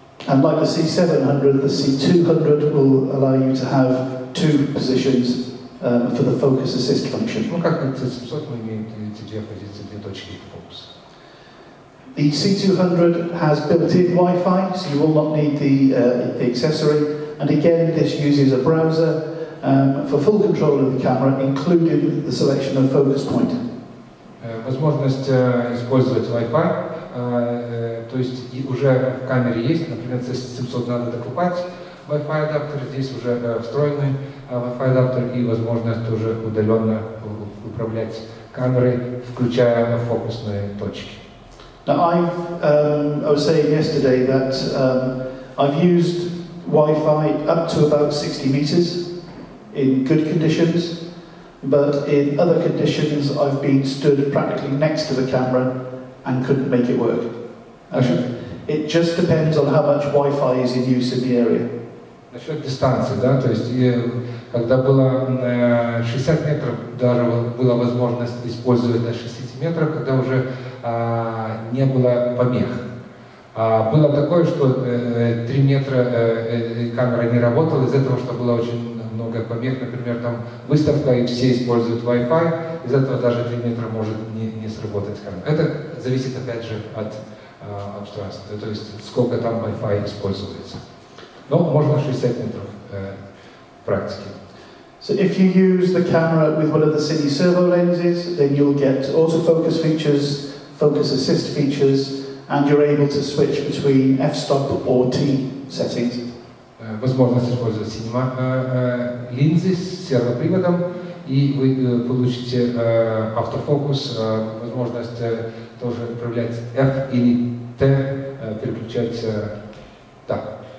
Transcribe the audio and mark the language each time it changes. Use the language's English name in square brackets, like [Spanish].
[English] And like the C700, the C200 will allow you to have two positions for the focus assist function. [Russian] Ну, как на C700 мы имеем эти две позиции, две точки фокуса. [English] The C200 has built-in Wi-Fi, so you will not need the accessory. And again, this uses a browser for full control of the camera, including the selection of focus point. [Russian] Возможность использовать Wi-Fi, то есть и уже в камере есть, например, C700 надо докупать Wi-Fi адаптер, здесь уже встроенный Wi-Fi адаптер и возможность тоже удаленно управлять камерой, включая фокусные точки. [English] Now, I was saying yesterday that I've used Wi-Fi up to about 60 meters in good conditions, but in other conditions, I've been stood practically next to the camera and couldn't make it work. It just depends on how much Wi-Fi is in use in the area. [Russian] Насчет дистанции, да, то есть когда было 60 метров, даже была возможность использовать на 60 метров, когда уже не было помех. Было такое, что 3 метра камера не работала, из-за того, что было очень много помех, например, там выставка, и все используют Wi-Fi, из-за этого даже 3 метра может не сработать камера. Это зависит, опять же, от обстоятельств, то есть сколько там Wi-Fi используется. Но можно 60 метров практики. [English] So if you use the camera with one of the cine servo lenses, then you'll get autofocus features, focus assist features, and you're able to switch between f-stop or t settings. [Russian] Возможность использовать cinema линзы с сервоприводом, и вы получите автофокус, возможность тоже управлять f или t, переключать так.